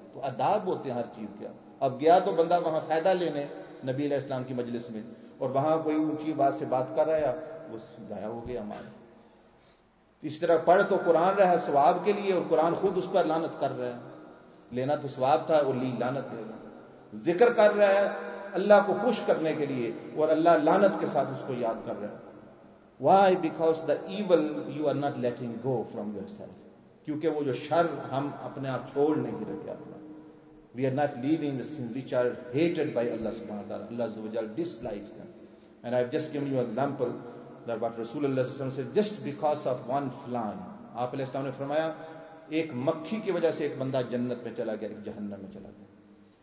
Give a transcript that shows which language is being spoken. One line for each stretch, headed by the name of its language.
Urdu: تو آداب ہوتے ہیں ہر چیز کے. اب گیا تو بندہ وہاں فائدہ لینے نبی علیہ السلام کی مجلس میں, اور وہاں کوئی اونچی آواز سے بات کر رہا ہے, وہ ضائع ہو گیا اعمال. اس طرح پڑھ تو قرآن رہا ثواب کے لیے, اور قرآن خود اس پر لعنت کر رہا ہے. لینا تو ثواب تھا اور لی لعنت دے رہا. ذکر کر رہا ہے اللہ کو خوش کرنے کے لیے, اور اللہ لعنت کے ساتھ اس کو یاد کر رہا ہے.
English: Why? Because the evil you are not letting go from yourself.
Urdu: کیونکہ وہ جو شر ہم اپنے آپ چھوڑ نہیں رہے اپنا.
English: We are not leaving the sins which are hated by Allah سبحانہ وتعالی. Allah عز و جل dislikes them. And I've just given you an example that what Rasool Allah صلی اللہ علیہ وسلم said, just because of one fly.
Urdu: آپ علیہ السلام نے فرمایا ایک مکھی کی وجہ سے ایک بندہ جنت میں چلا گیا, ایک جہنم میں چلا گیا.